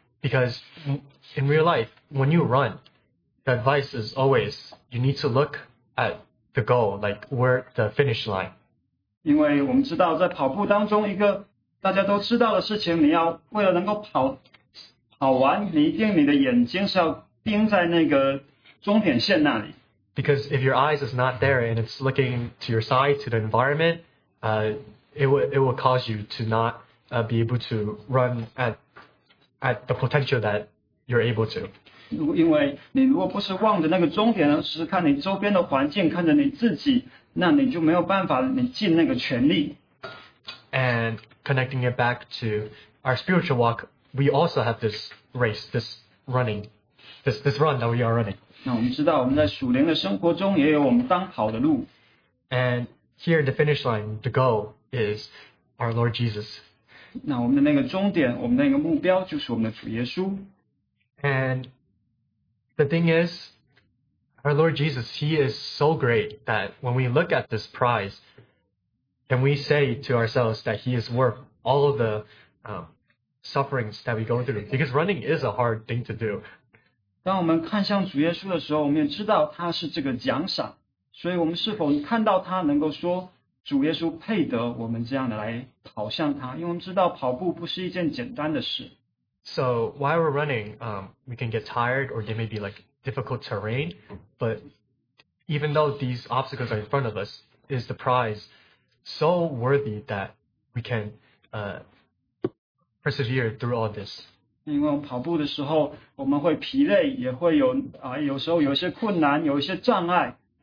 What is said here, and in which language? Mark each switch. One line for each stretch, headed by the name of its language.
English: Because in real life, when you run, the advice is always you need to look at the goal, like where the finish line.
Chinese: 因为我们知道在跑步当中一个大家都知道的事情，你要为了能够跑完，你一定你的眼睛是要盯在那个终点线那里。
English: Because if your eyes is not there and it's looking to your side, to the environment, it will cause you to not be able to run at the potential that you're able to.
Chinese: 因为你如果不是望着那个终点，而是看你周边的环境，看着你自己，那你就没有办法你尽那个全力。
English: And connecting it back to our spiritual walk, we also have this race, this run that we are running.
Chinese: 那我们知道我们在属灵的生活中也有我们当跑的路。
English: And here the finish line, the goal is our Lord Jesus.
Chinese: 那我们的那个终点，我们的那个目标就是我们的主耶稣。
English: And the thing is, our Lord Jesus, he is so great that when we look at this prize, can we say to ourselves that he is worth all of the sufferings that we go through? Because running is a hard thing to do.
Chinese: 当我们看向主耶稣的时候，我们也知道他是这个奖赏，所以我们是否看到他能够说主耶稣配得我们这样的来跑向他？因为我们知道跑步不是一件简单的事。
English: So while we're running, we can get tired or there may be like difficult terrain, but even though these obstacles are in front of us, is the prize so worthy that we can persevere through all this?
Chinese: 因为我们跑步的时候，我们会疲累，也会有时候有一些困难，有一些障碍。